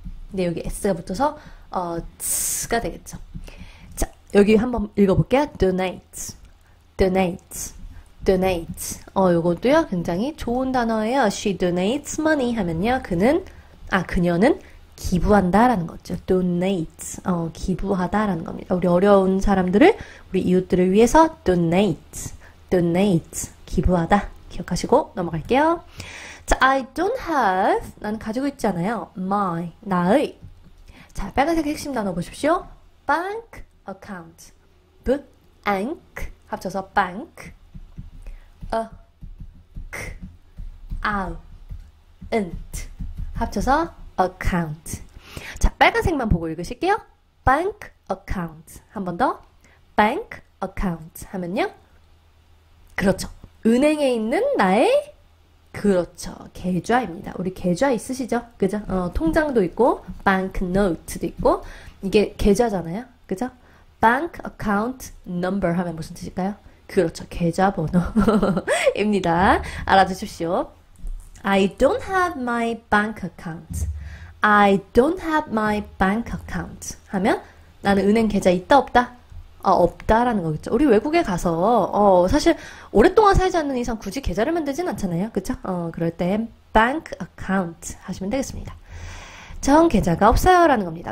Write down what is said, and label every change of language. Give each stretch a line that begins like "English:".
Korean: 근데 여기 s가 붙어서 t가 되겠죠. 자, 여기 한번 읽어볼게요.
English: The night, the night, the night.
Korean: 요것도요, 굉장히 좋은 단어예요.
English: She donates money
Korean: 하면요, 그녀는 기부한다라는 거죠. Donate, 기부하다라는 겁니다. 우리 어려운 사람들을, 우리 이웃들을 위해서 donate, donate, 기부하다. 기억하시고 넘어갈게요. 자,
English: I don't have,
Korean: 나는 가지고 있지 않아요. My, 나의. 자, 빨간색 핵심 단어 보십시오. Bank account, bank 합쳐서 bank, a, k, out, int 합쳐서 account. 자, 빨간색만 보고 읽으실게요. Bank account. 한번 더. Bank account 하면요. 그렇죠. 은행에 있는 나의, 그렇죠, 계좌입니다. 우리 계좌 있으시죠? 그죠? 통장도 있고, bank note도 있고, 이게 계좌잖아요? 그죠? Bank account number 하면 무슨 뜻일까요? 그렇죠. 계좌번호입니다. 알아두십시오.
English: I don't have my bank account. I don't have my bank account
Korean: 하면 나는 은행 계좌 있다 없다? 없다라는 거겠죠. 우리 외국에 가서 사실 오랫동안 살지 않는 이상 굳이 계좌를 만들진 않잖아요. 그쵸? 그럴 때 bank account 하시면 되겠습니다. 전 계좌가 없어요라는 겁니다.